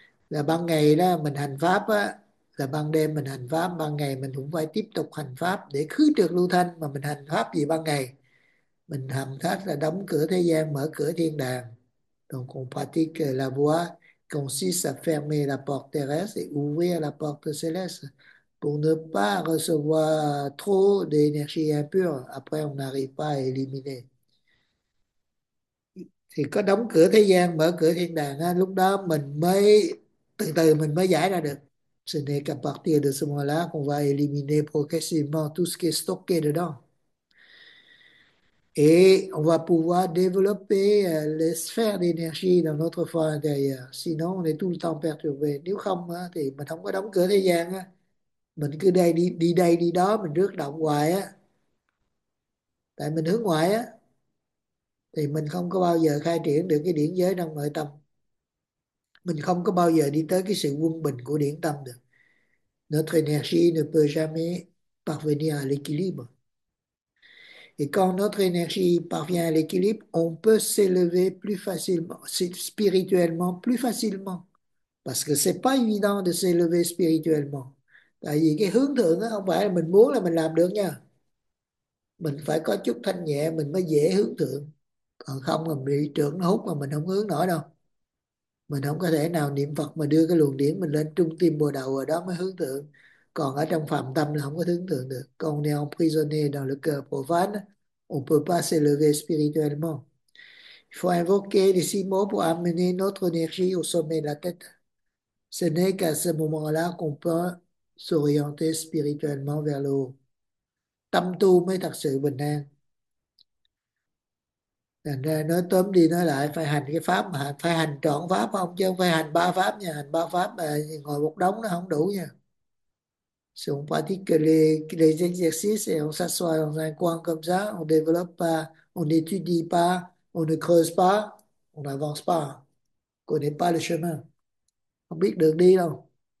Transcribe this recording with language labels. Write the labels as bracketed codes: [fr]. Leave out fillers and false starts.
[vi] Là ban ngày là mình hành pháp, là ban đêm mình hành pháp, ban ngày mình cũng phải tiếp tục hành pháp để khứ trược lưu thanh. Mà mình hành pháp gì ban ngày? Mình hành pháp là đóng cửa thế gian, mở cửa thiên đàng. [fr] Donc, on pratique la voie consiste à fermer la porte terrestre et ouvrir la porte céleste pour ne pas recevoir trop d'énergie impure. Après, on n'arrive pas à éliminer. [vi] Có đóng cửa thế gian, mở cửa thiên đàng, lúc đó mình mới từ từ mình mới giải ra được. [fr] Ce n'est qu'à partir de ce moment-là qu'on va éliminer progressivement tout ce qui est stocké dedans. Et on va pouvoir développer les sphères d'énergie dans notre fort intérieur. Sinon, on est tout le temps perturbé. [vi] Nếu không, thì mình không có đóng cửa thế gian. Mình cứ đây đi, đi đây, đi đó, mình rước động hoài. Tại mình hướng ngoại, thì mình không có bao giờ khai triển được cái điển giới trong nội tâm. Mình không có bao giờ đi tới cái sự quân bình của điển tâm được. [fr] Notre énergie ne peut jamais parvenir à l'équilibre. Et quand notre énergie parvient à l'équilibre, on peut s'élever plus facilement, spirituellement plus facilement. Parce que ce n'est pas évident de s'élever spirituellement. [vi] Tại vì cái hướng thượng đó không phải là mình muốn là mình làm được nha. Mình phải có chút thanh nhẹ, mình mới dễ hướng thượng. Còn không là bị trưởng nó hút mà mình không hướng nổi đâu. Mình không có thể nào niệm Phật mà đưa cái luồng điển mình lên trung tim bồ đầu ở đó mới hướng thượng. Còn ở trong phàm tâm là không có tưởng tượng được. Còn nếu [fr] on prisonnier dans le cœur profane, on peut pas s'élever spirituellement. Il faut invoquer les six mots pour amener notre énergie au sommet de la tête. Ce n'est qu'à ce moment-là qu'on peut s'orienter spirituellement vers le haut. [vi] Tâm tu mới thật sự bình an. Thành ra nói tóm đi nói lại, phải hành cái pháp mà phải hành trọn pháp không, chứ không phải hành ba pháp nha. Hành ba pháp mà ngồi một đống nó không đủ nha. [fr] Si on pratique les exercices et on s'assoit dans un coin comme ça, on développe pas, on n'étudie pas, on ne creuse pas, on n'avance pas, on ne connaît pas le chemin, on [vi] biết đường đi đâu.